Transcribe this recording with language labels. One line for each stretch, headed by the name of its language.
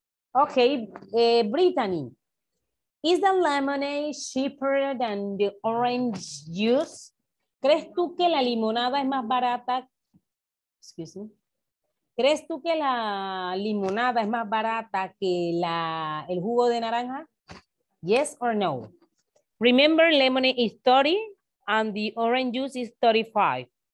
English: Okay, Brittany, is the lemonade cheaper than the orange juice?
Spanish: ¿Crees tú que la limonada es más barata?
English: Excuse me.
Spanish: ¿Crees tú que la limonada es más barata que la, el jugo de naranja?
English: Yes or no? Remember, lemonade is 30 and the orange juice is 35.